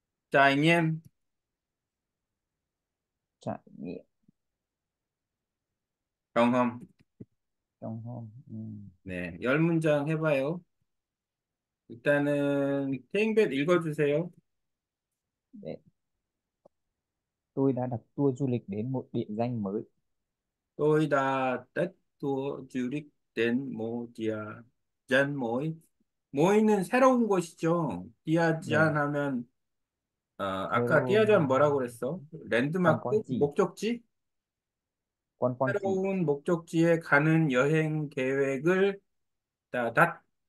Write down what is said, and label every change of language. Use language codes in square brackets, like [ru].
[ko] 자이엔. 자, 예. 경험. 경험. 네, 열 문장 해봐요. 일단은 태행벳 읽어주세요. 네. [vi] Tôi đã đặt tour du lịch đến một địa danh mới. Tôi đã đặt tour du lịch đến một địa danh mới. [ko] Mới는 새로운 곳이죠. 네. 디아잔하면 아까 디아잔 새로운 뭐라고 그랬어? 랜드마크? 관광지. 목적지? 관광지. 새로운 목적지에 가는 여행 계획을 따닷.